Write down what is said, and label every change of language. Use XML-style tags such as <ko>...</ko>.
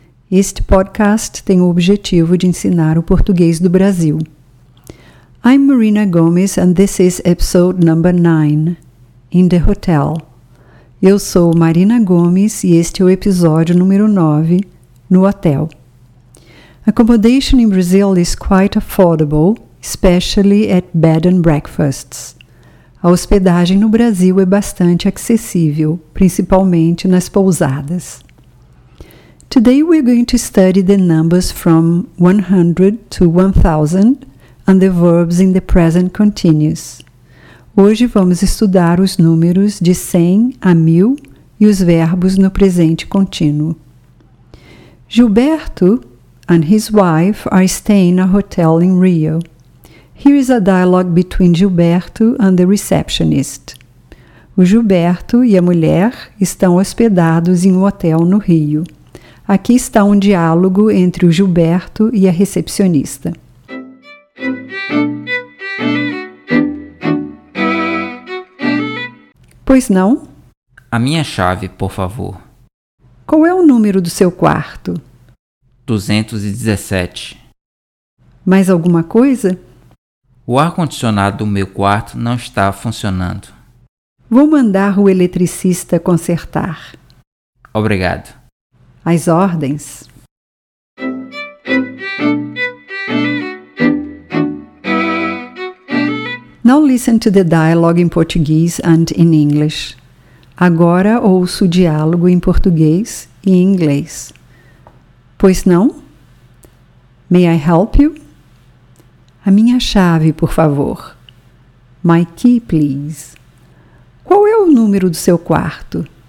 <pt>Este podcast tem o objetivo de ensinar o português do Brasil.</pt> <en>I'm Marina Gomes and this is episode number 9, In the Hotel.</en> <pt>Eu sou Marina Gomes e este é o episódio número 9, No Hotel.</pt> <en>Accommodation in Brazil is quite affordable, especially at bed and breakfasts.</en> <pt>A hospedagem no Brasil é bastante acessível, principalmente nas pousadas.</pt> <en>Today we're going to study the numbers from 100 to 1000 and the verbs in the present continuous.</en> <pt>Hoje vamos estudar os números de 100 a 1000 e os verbos no presente contínuo.</pt> <en>Gilberto and his wife are staying in a hotel in Rio. Here is a dialogue between Gilberto and the receptionist.</en> <pt>O Gilberto e a mulher estão hospedados em um hotel no Rio. Aqui está um diálogo entre o Gilberto e a recepcionista. Pois não? A minha chave, por favor. Qual é o número do seu quarto? 217. Mais alguma coisa? O ar-condicionado do meu quarto não está funcionando. Vou mandar o eletricista consertar. Obrigado. As ordens.</pt> <en>Now listen to the dialogue in Portuguese and in English.</en> <pt>Agora ouço o diálogo em português e em inglês. Pois não?</pt> <en>May I help you?</en> <pt>A minha chave, por favor.</pt> <en>My key, please.</en> <pt>Qual é o número do seu quarto?</pt>